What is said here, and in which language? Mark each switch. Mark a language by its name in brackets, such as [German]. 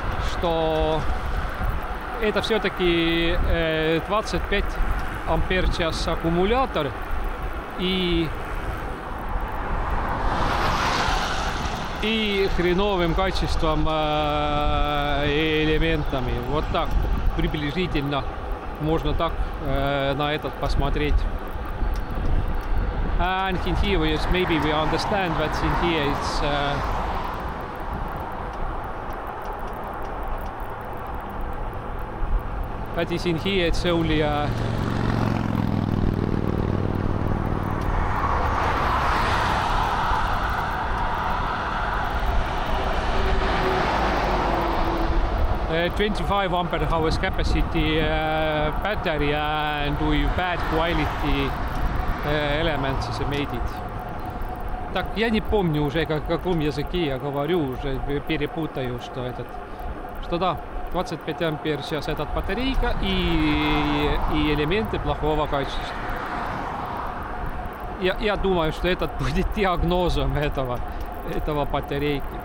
[Russian] Что это все-таки 25 ампер-час аккумулятор. И хреновым качеством элементами. Вот так приблизительно можно так на этот посмотреть. [English] And in here we just, maybe we understand that in here it's that is in here it's only $25 capacity battery and with bad quality elements is made it. [Russian] Так, я не помню уже, как каком языке я говорю, уже перепутаю, что этот, что да, 25 ампер сейчас этот батарейка и элементы плохого качества. Я думаю, что этот будет диагнозом этого батарейки.